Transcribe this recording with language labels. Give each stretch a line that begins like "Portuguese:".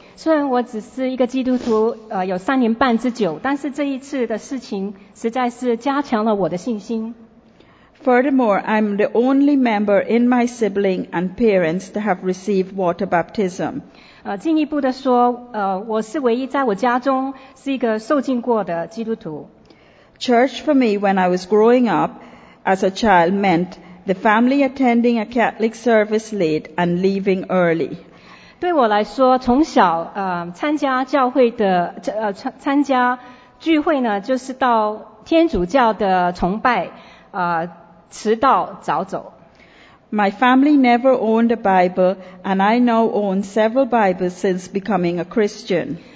Chinese: 虽然我只是一个基督徒，有3年半之久，但是这一次的事情实在是加强了我的信心。
English: Furthermore, I'm the only member in my sibling and parents to have received water baptism.
Chinese: 进一步的说，我是唯一在我家中是一个受浸过的基督徒。
English: Church for me when I was growing up as a child meant the family attending a Catholic service late and leaving early.
Chinese: 对我来说，从小参加教会的参加聚会呢，就是到天主教的崇拜迟到早走。
English: My family never owned a Bible, and I now own several Bibles since becoming a Christian.